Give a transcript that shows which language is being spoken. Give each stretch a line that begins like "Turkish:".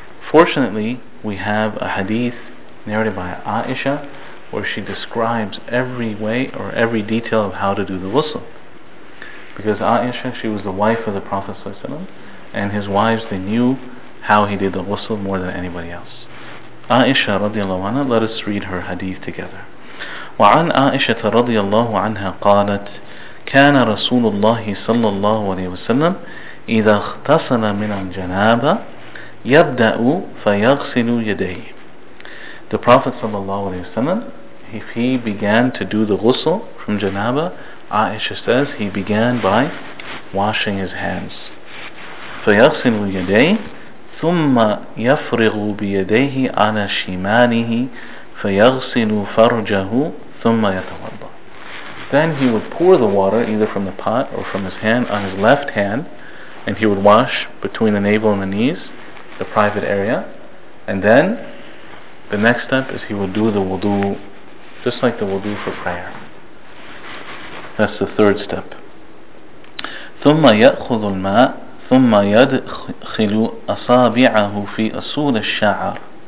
English: Fortunately, we have a hadith narrated by Aisha where she describes every way or every detail of how to do the ghusl. Because Aisha, she was the wife of the Prophet ﷺ, and his wives, they knew how he did the ghusl more than anybody else. Aisha radiallahu anha, let us read her hadith together.
Arabic: وعن عائشة رضي الله عنها قالت كان رسول الله صلى الله عليه وسلم إذا اغتسل من الجنابة يبدأ فيغسل يديه.
English: The Prophet ﷺ, if he began to do the ghusl from janaba, Aisha says he began by washing his hands.
Arabic: فَيَغْسِلُ يَدَيْهِ ثم يفرغ بيديه على شماله فيغسل فرجه ثم يتوضا.
English: Then he would pour the water either from the pot or from his hand on his left hand, and he would wash between the navel and the knees, the private area, and then the next step is he would do the wudu, just like the wudu for prayer. That's the third step.
Arabic: ثم يأخذ الماء ثم يدخل أصابعه في أصول الشعر.